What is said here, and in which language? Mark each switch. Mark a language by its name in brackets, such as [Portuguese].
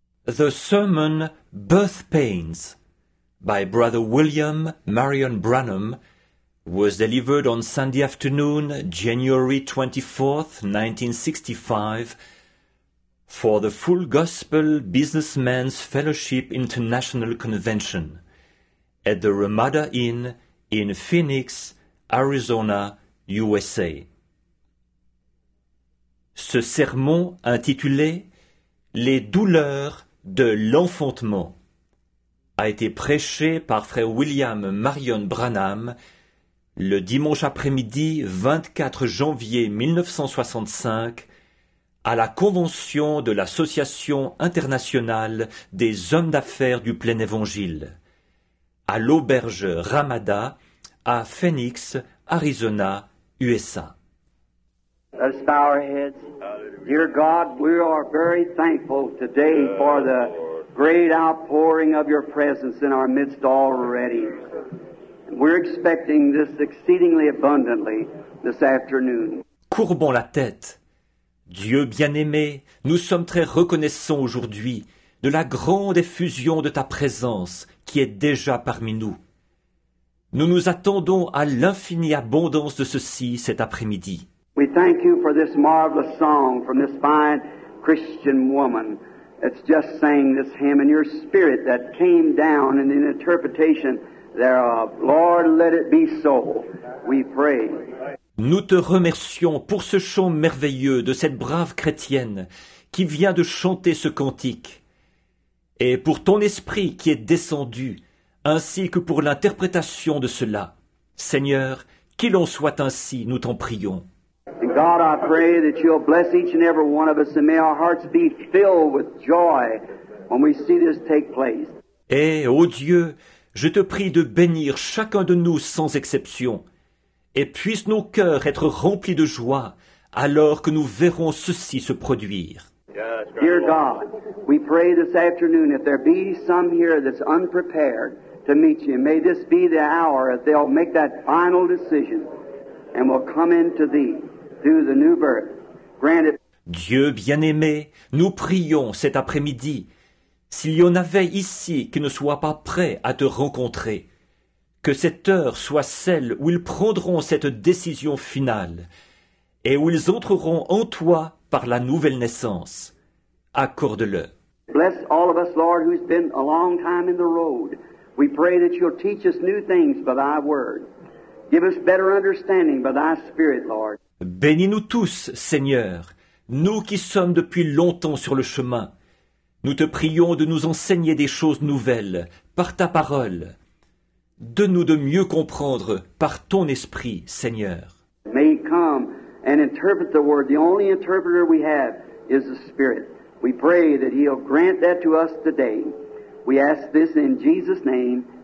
[English] The Sermon Birth Pains by Brother William Marion Branham was delivered on Sunday afternoon, January 24th, 1965, for the Full Gospel Businessmen's Fellowship International Convention at the Ramada Inn in Phoenix, Arizona, USA. [French] Ce sermon intitulé Les douleurs de l'enfantement a été prêché par Frère William Marion Branham le dimanche après-midi 24 janvier 1965 à la convention de l'Association internationale des hommes d'affaires du plein évangile à l'auberge Ramada à Phoenix, Arizona, USA. [English] Let's bow our heads. Dear God, we are very thankful today for the great outpouring of your presence in our midst already. We're expecting this exceedingly abundantly this afternoon. [French] Courbons la tête. Dieu bien-aimé, nous sommes très reconnaissants aujourd'hui de la grande effusion de ta présence qui est déjà parmi nous. Nous nous attendons à l'infinie abondance de ceci cet après-midi. [English] We thank you for this marvelous song from this fine Christian woman that's just sang this hymn and your spirit that came down in the interpretation thereof. Lord, let it be so. We pray. [French] Nous te remercions pour ce chant merveilleux de cette brave chrétienne qui vient de chanter ce cantique et pour ton esprit qui est descendu ainsi que pour l'interprétation de cela. Seigneur, qu'il en soit ainsi, nous t'en prions. [English] And God, I pray that you'll bless each and every one of us and may our hearts be filled with joy when we see this take place. [French] Et, ô Dieu, je te prie de bénir chacun de nous sans exception et puissent nos cœurs être remplis de joie alors que nous verrons ceci se produire. [English] Dear God, we pray this afternoon if there be some here that's unprepared to meet you, may this be the hour that they'll make that final decision and will come into thee. The new birth. Granted. [French] Dieu bien-aimé, nous prions cet après-midi, s'il y en avait ici qui ne soient pas prêts à te rencontrer, que cette heure soit celle où ils prendront cette décision finale et où ils entreront en toi par la nouvelle naissance. Accorde-le. [English] Bless all of us, Lord, who's been a long time in the road. We pray that you'll teach us new things by thy word. Give us better understanding by thy spirit, Lord. [French] Bénis-nous tous, Seigneur, nous qui sommes depuis longtemps sur le chemin. Nous te prions de nous enseigner des choses nouvelles par ta parole. Donne-nous de mieux comprendre par ton esprit, Seigneur. [English] May he come and interpret the word. The only interpreter we have is the Spirit. We pray that he'll grant that to us today. We ask this in Jesus' name.